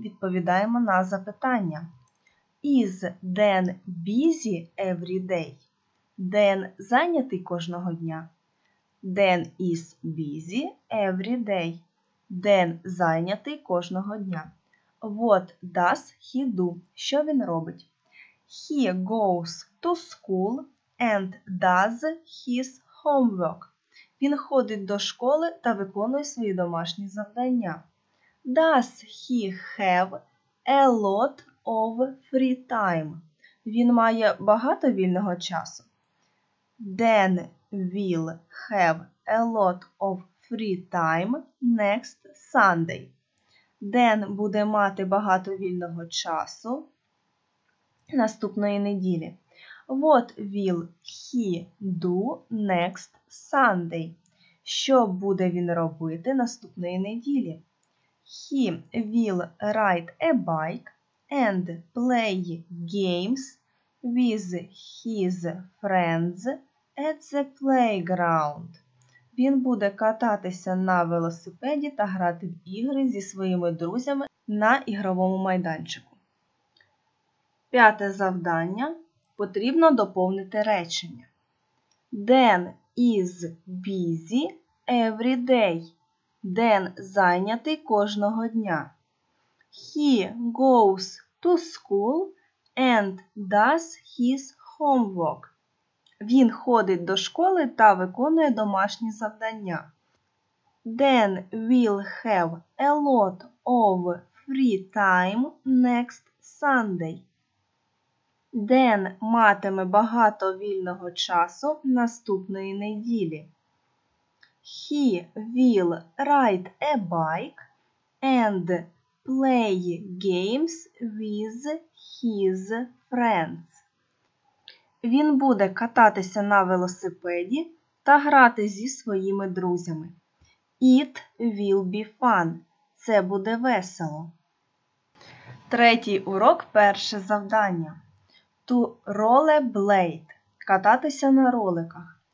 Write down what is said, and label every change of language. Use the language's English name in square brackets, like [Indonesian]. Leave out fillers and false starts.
[Ukrainian] Відповідаємо на запитання. [English] Is Dan busy every day? [Ukrainian] Dan зайнятий кожного дня. [English] Dan is busy every day. [Ukrainian] Dan зайнятий кожного дня. [English] What does he do? [Ukrainian] Що він робить? [English] He goes to school and does his homework. [Ukrainian] Він ходить до школи та виконує свої домашні завдання. [English] Does he have a lot of free time? [Ukrainian] Він має багато вільного часу. [English] Dan will have a lot of free time next Sunday. [Ukrainian] Dan буде мати багато вільного часу наступної неділі. [English] What will he do next Sunday? [Ukrainian] Що буде він робити наступної неділі? [English] He will ride a bike and play games with his friends at the playground. [Ukrainian] Він буде кататися на велосипеді та грати в ігри зі своїми друзями на ігровому майданчику. П'яте завдання. Потрібно доповнити речення. [English] Dan is busy every day. [Ukrainian] Dan зайнятий кожного дня. [English] He goes to school and does his homework. [Ukrainian] Він ходить до школи та виконує домашні завдання. [English] Dan will have a lot of free time next Sunday. [Ukrainian] Dan матиме багато вільного часу наступної неділі. [English] He will ride a bike and play games with his friends. [Ukrainian] Він буде кататися на велосипеді та грати зі своїми друзями. [English] It will be fun. [Ukrainian] Це буде весело. Третій урок, перше завдання. [English] To rollerblade [Ukrainian] – кататися на роликах.